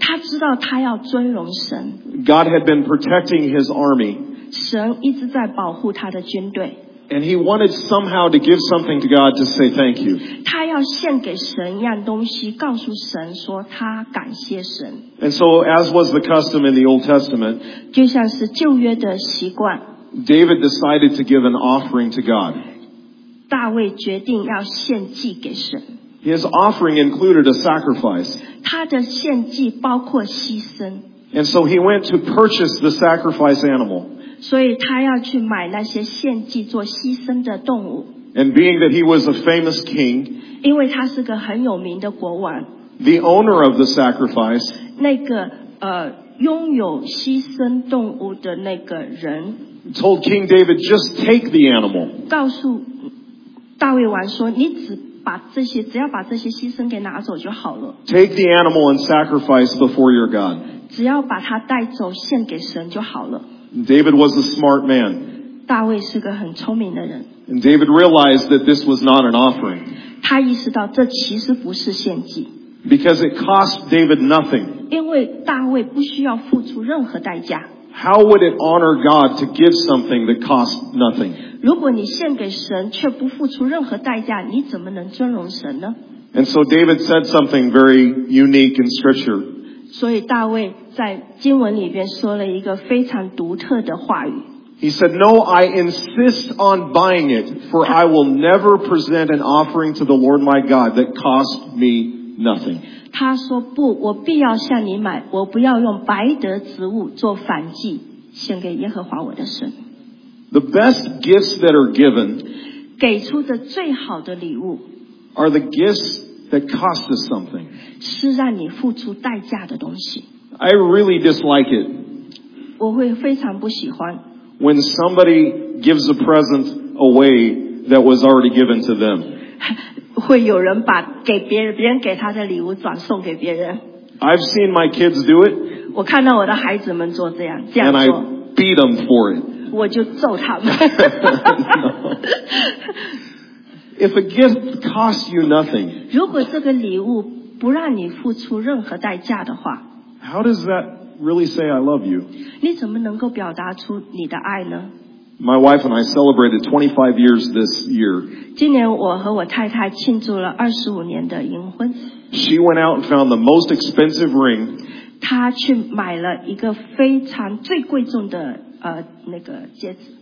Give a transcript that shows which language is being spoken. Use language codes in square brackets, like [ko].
[zh] 他知道他要尊荣神。 [en] God had been protecting his army. [zh] 神一直在保护他的军队。 [en] And he wanted somehow to give something to God to say thank you. [zh] 他要献给神一样东西，告诉神说他感谢神。 [en] And so, as was the custom in the Old Testament, [zh] 就像是旧约的习惯。 [en] David decided to give an offering to God. [zh] 大卫决定要献祭给神。 [en] His offering included a sacrifice. [zh] 他的献祭包括牺牲。 [en] And so he went to purchase the sacrifice animal. [zh] 所以他要去买那些献祭做牺牲的动物。 [en] And being that he was a famous king, [zh] 因为他是个很有名的国王。 [en] The owner of the sacrifice, [zh] 那个拥有牺牲动物的那个人 [en] told King David, just take the animal. [zh] 告诉大卫王说，你只把这些，只要把这些牺牲给拿走就好了。 [en] Take the animal and sacrifice before your God. [zh] 只要把它带走献给神就好了。 [en] David was a smart man. [zh] 大卫是个很聪明的人。 [en] And David realized that this was not an offering. [zh] 他意识到这其实不是献祭。 [en] Because it cost David nothing. [zh] 因为大卫不需要付出任何代价。 [en] How would it honor God to give something that costs nothing? [zh] 如果你献给神却不付出任何代价，你怎么能尊荣神呢？ [en] And so David said something very unique in Scripture. [zh] 所以大卫在经文里边说了一个非常独特的话语。 [en] He said, "No, I insist on buying it, for I will never present an offering to the Lord my God that costs me nothing." [zh] 他说不，我必要向你买，我不要用白得之物做燔祭，献给耶和华我的神。 [en] The best gifts that are given [zh] 给出的最好的礼物 [en] are the gifts that cost us something [zh] 是让你付出代价的东西。 [en] I really dislike it [zh] 我会非常不喜欢 [en] when somebody gives a present away that was already given to them [zh] 会有人把给别人，别人给他的礼物转送给别人。 [en] I've seen my kids do it [zh] 我看到我的孩子们做这样，这样做 [en] and I beat them for it [zh] 我就揍他们。 [en] If a gift costs you nothing, [zh] 如果这个礼物不让你付出任何代价的话 [en] how does that really say I love you? [zh] 你怎么能够表达出你的爱呢？ [en] My wife and I celebrated 25 years this year. [zh] 今年我和我太太庆祝了25年的迎婚。 [en] She went out and found the most expensive ring. [zh] 她去买了一个非常最贵重的那个戒指。